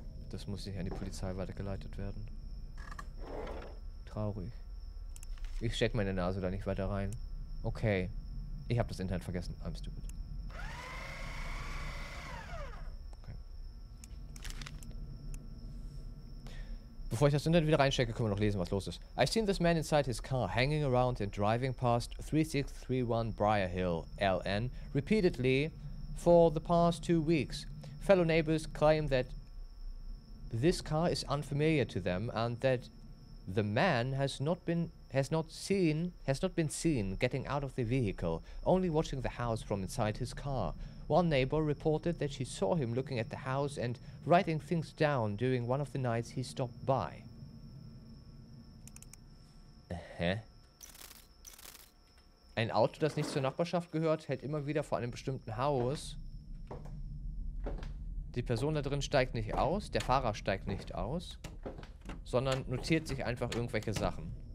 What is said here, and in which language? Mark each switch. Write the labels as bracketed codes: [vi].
[de] Das muss nicht an die Polizei weitergeleitet werden. Traurig. Ich steck meine Nase da nicht weiter rein. Okay. Ich habe das Internet vergessen. [en] I'm stupid. [de] Okay. Bevor ich das Internet wieder reinstecke, können wir noch lesen, was los ist. [en] I've seen this man inside his car, hanging around and driving past 3631 Briar Hill, LN, repeatedly for the past 2 weeks. Fellow neighbors claim that this car is unfamiliar to them and that the man has not been seen getting out of the vehicle, only watching the house from inside his car. One neighbor reported that she saw him looking at the house and writing things down during one of the nights he stopped by. [de] Ein Auto, das nicht zur Nachbarschaft gehört, hält immer wieder vor einem bestimmten Haus. Die Person da drin steigt nicht aus, der Fahrer steigt nicht aus, sondern notiert sich einfach irgendwelche Sachen.